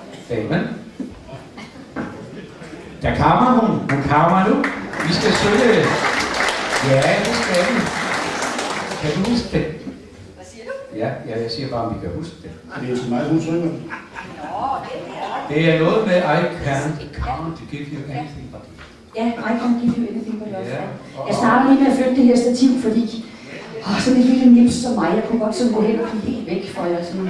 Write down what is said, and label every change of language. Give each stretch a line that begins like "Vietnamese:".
Danish: Damen. Der kommer hun. Hun kommer nu. Vi skal synge. Ja, det skal vi. Kan du huske det? Ja, ja, jeg siger bare, om vi kan huske det. Det er så meget, hun synger. Det er noget med,
English: I can't come to give you anything but love. Ja, I can't give you anything but love.
Danish: Jeg starter lige med at flytte det her stativ, fordi sådan et lille nips som mig, jeg kunne godt sådan gå hen og blive helt væk fra jer.